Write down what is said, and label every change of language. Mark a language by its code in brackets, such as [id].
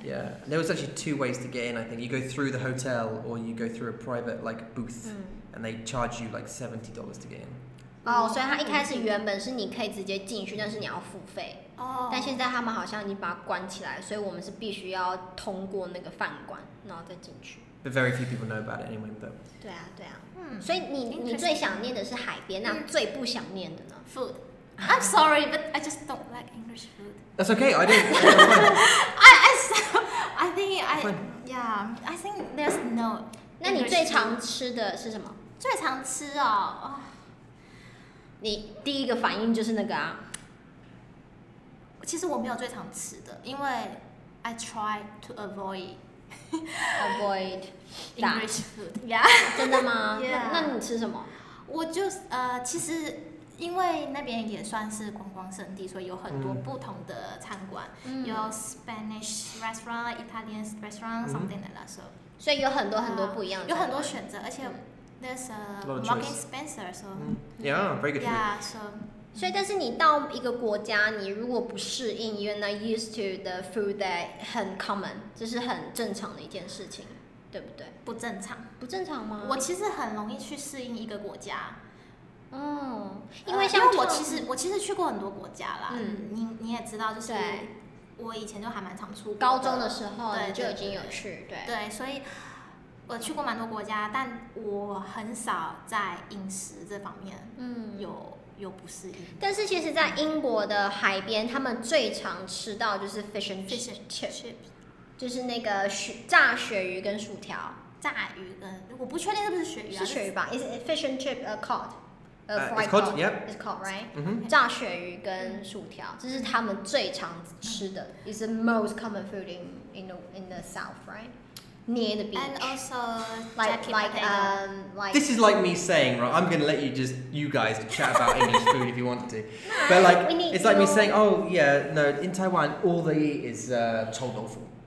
[en] Yeah, there was actually two ways to get in. I think you go through the hotel or you go through a private like booth,、mm. and they charge you like $70 to get in. [zh] 哦、oh, ，所以它一开始原本是你可以直接进去，但是你要付费。哦、oh.。但现在他们好像已经把它关起来，所以我们是必须要通过那个饭馆，然后再进去。 [en] But very few people know about it anyway, though. [zh] 对啊，对啊。嗯、mm.。所以你最想念的是海边，那最不想念的呢 [en] ？Food. I'm sorry, but I just don't like English food. That's okay, I do. I think I, yeah, I think there's no. [zh] 那你最常吃的是什么？最常吃哦，你第一个反应就是那个啊。其实我没有最常吃的，因为 [en] I try to avoid avoid English food. Yeah. [zh] 真的吗？ [en] Yeah. [zh] 那你吃什么？我就其实。因为那边也算是观光圣地，所以有很多不同的餐馆、嗯， [en] 有 Spanish restaurant、Italian restaurant、嗯、something like that. So, [zh] 所以有很多很多不一样的，有很多选择，而且、嗯、 [en] there's a Morgan Spencer. So,、 [zh] 嗯、 [en] yeah, very good. Yeah, so. [zh] 所以，但是你到一个国家，你如果不适应 ， [en] you're not used to the food that [zh] 很 common， 这是很正常的一件事情，对不对？不正常，不正常吗？我其实很容易去适应一个国家。嗯，因为像我其实去过很多国家啦，嗯，你也知道，就是我以前就还蛮常出国的，高中的时候就已经有去，对对, 对，所以我去过蛮多国家，但我很少在饮食这方面，嗯，有不适应。但是其实，在英国的海边，他们最常吃到就是 fish and chips， 就是那个炸鳕鱼跟薯条，炸鱼跟我不确定是不是鳕鱼、啊，是鳕鱼吧 ？ [en] Is fish and chip a cod？ It's called, right?、Mm-hmm. [zh] 炸鳕鱼跟薯条，这是他们最常吃的。 [en] It's the most common food in the south, right? Near the beach. And also, like, this is like me saying, right? I'm gonna let you guys chat about English food if you want to. But like, it's like me saying, oh yeah, no, in Taiwan, all they eat is chou doufu.